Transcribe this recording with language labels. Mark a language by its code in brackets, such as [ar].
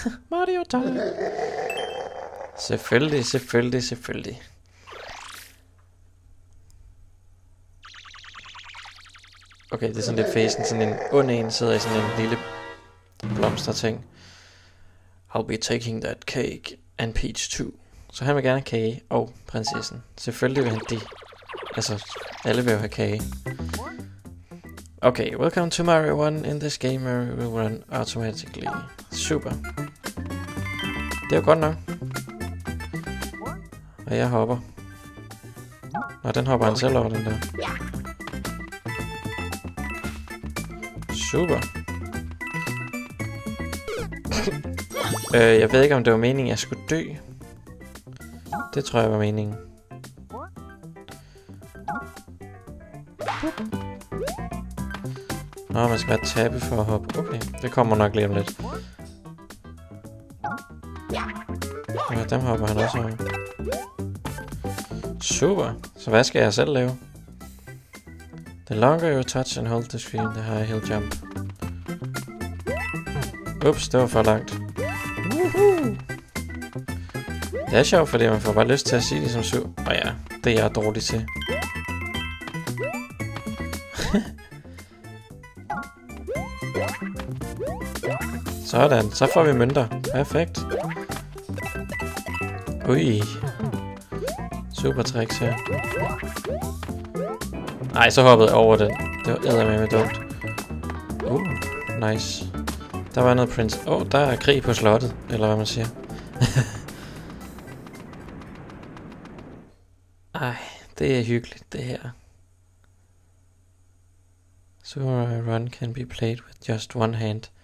[en] Mario time. Mario time. [da] Selvfølgelig. Okay, det er sådan lidt fæsen, sådan en ond en sidder i sådan en lille blomsterting. [en] I'll be taking that cake and peach too. [da] Så han vil gerne have kage og prinsessen. Selvfølgelig vil han det. Altså, alle vil jo have kage. [en] Okay, welcome to Mario Run. In this game, Mario will run automatically. [da] Super. Det er godt nok. Og jeg hopper. Nå, den hopper han selv over, den der. Super. jeg ved ikke, om det var meningen, jeg skulle dø. Det tror jeg var meningen. Nå, man skal bare tabe for at hoppe. Okay, det kommer nok lige om lidt. Ja, dem hopper han også over. Super. Så hvad skal jeg selv lave? [en] The longer you touch and hold the screen, the higher he'll jump. [da] Ups, det var for langt. Det er sjovt, fordi man får bare lyst til at sige det som så. Og ja, det er jeg dårlig til. Sådan, så får vi mønter. Perfekt. Ui. Super tricks her. Ej, så hoppede jeg over den. Det var eddermame dumt. Nice. Der var noget prins. Åh, der er krig på slottet. Eller hvad man siger. Ej, det er hyggeligt, det her. [en] Super Mario Run can be played with just one hand.